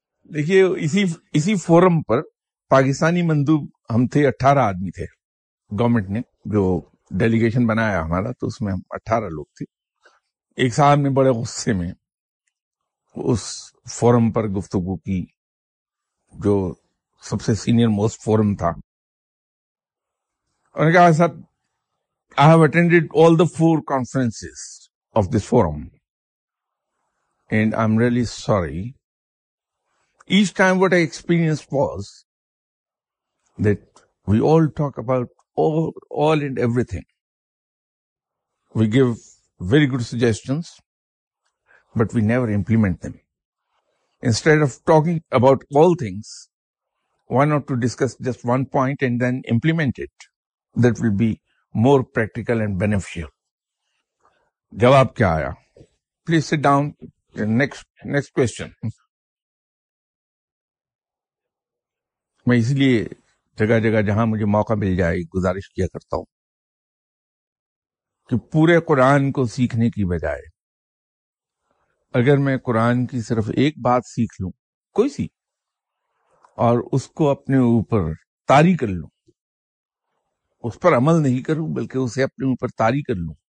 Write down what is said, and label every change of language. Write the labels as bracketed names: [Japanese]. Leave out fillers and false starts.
[Urdu] دیکھیے اسی فورم پر پاکستانی مندوب ہم تھے, 18 آدمی تھے. گورنمنٹ نے جو ڈیلیگیشن بنایا ہمارا تو اس میں ہم 18 لوگ تھے. ایک صاحب نے بڑے غصے میں اس فورم پر گفتگو کی, جو سب سے سینئر موسٹ فورم تھا. انہوں نے کہا صاحب, [English] I have attended all the 4 conferences of this forum and I'm really sorry. Each time what I experienced was that we all talk about all and everything. We give very good suggestions, but we never implement them. Instead of talking about all things, why not to discuss just one point and then implement it? That will be more practical and beneficial. [Urdu] جواب کیا آیا؟ [English] Please sit down. Next question. [Urdu] میں اس لیے جگہ جگہ جہاں مجھے موقع مل جائے گزارش کیا کرتا ہوں کہ پورے قرآن کو سیکھنے کی بجائے اگر میں قرآن کی صرف ایک بات سیکھ لوں, کوئی سی, اور اس کو اپنے اوپر طاری کر لوں, اس پر عمل نہیں کروں بلکہ اسے اپنے اوپر طاری کر لوں,